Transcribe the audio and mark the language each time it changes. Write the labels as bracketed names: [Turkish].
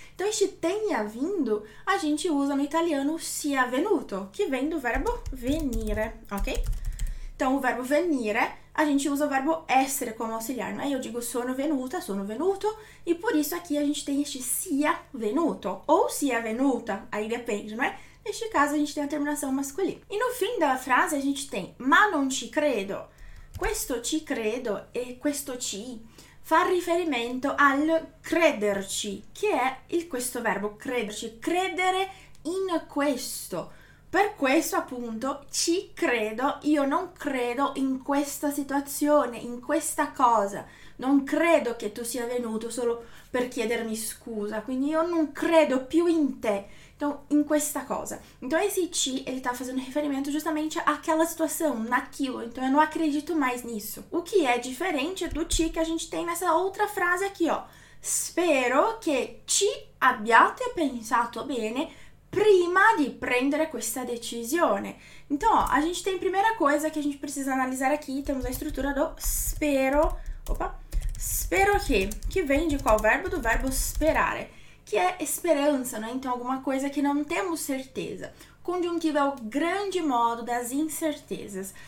[Portuguese] Então, este tenha vindo, a gente usa no italiano [Italian] sia venuto, [Portuguese] que vem do verbo venire, ok? Então, o verbo venire. A gente usa o verbo essere como auxiliar, né? Eu digo [Italian] sono venuto, [Portuguese] e por isso aqui a gente tem este [Italian] sia venuto, ou sia venuta, [Portuguese] aí depende, não é? Neste caso a gente tem a terminação masculina. E no fim da frase a gente tem [Italian] ma non ci credo. Questo ci credo e questo ci fa riferimento al crederci, che è questo verbo crederci, credere in questo. Per questo appunto ci credo, io non credo in questa situazione, in questa cosa. Non credo che tu sia venuto solo per chiedermi scusa, quindi io non credo più in te, [Portuguese] então, [Italian] in questa cosa. [Portuguese] Então esse ci, ele tá fazendo riferimento justamente àquela situação, naquilo. Então eu não acredito mais nisso. O que é diferente do ci que a gente tem nessa outra frase aqui, ó. [Italian] Spero che ci abbiate pensato bene prima di prendere questa decisione. [Portuguese] Então, ó, a gente tem a primeira coisa que a gente precisa analisar aqui, temos a estrutura do spero, opa, spero que vem de qual verbo? Do verbo esperare, que é esperança, né? Então, alguma coisa que não temos certeza. Conjuntivo é o grande modo das incertezas.